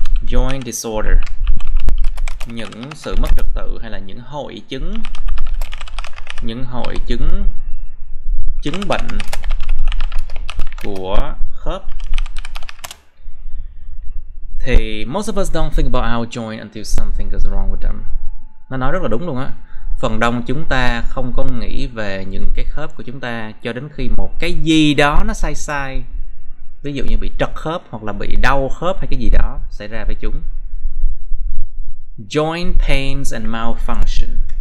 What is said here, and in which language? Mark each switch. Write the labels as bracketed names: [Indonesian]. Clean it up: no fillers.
[English] Joint disorder, [Vietnamese] những sự mất trật tự hay là những hội chứng, những hội chứng, chứng bệnh của khớp. [English] Thì most of us don't think about our joint until something goes wrong with them. [Vietnamese] Nó nói rất là đúng luôn á. Phần đông chúng ta không có nghĩ về những cái khớp của chúng ta cho đến khi một cái gì đó nó sai sai. Ví dụ như bị trật khớp hoặc là bị đau khớp hay cái gì đó xảy ra với chúng. [English] Joint pains and malfunction.